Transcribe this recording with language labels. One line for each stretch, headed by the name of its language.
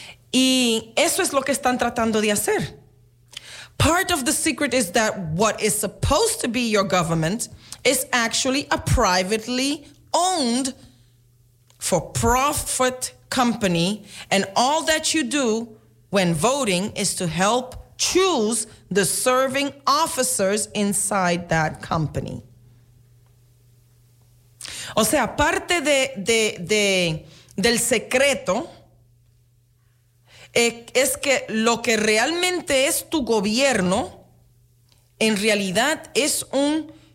Spanish: Y eso es lo que están tratando de hacer.
English: Part of the secret is that what is supposed to be your government is actually a privately owned for-profit company, and all that you do when voting is to help choose the serving officers inside that company.
Spanish: O sea, parte del secreto es que lo que realmente es tu gobierno en realidad es un